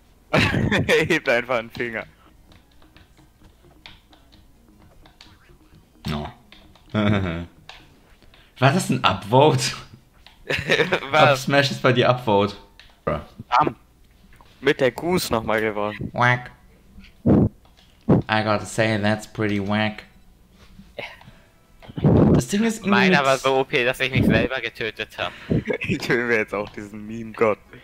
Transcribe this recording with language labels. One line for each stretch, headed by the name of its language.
German: Er hebt einfach einen Finger. No. War das ein Upvote? Was? Smash ist bei dir Upvote. Bam. Mit der Goose nochmal gewonnen.
English: Whack. I gotta say, that's pretty whack.
German: Das Ding ist... Meiner war so OP, dass ich mich selber getötet habe. Ich will mir jetzt auch diesen Meme-Gott.